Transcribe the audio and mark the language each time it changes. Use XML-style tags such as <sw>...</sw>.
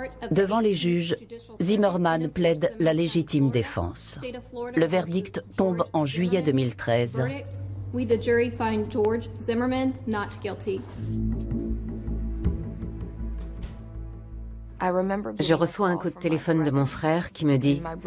<fr>Devant les juges, Zimmerman plaide la légitime défense. Le verdict tombe en juillet 2013.</fr> <en>We the jury find George Zimmerman not guilty.</en> <fr>Je reçois un coup de téléphone de mon frère qui me dit</fr>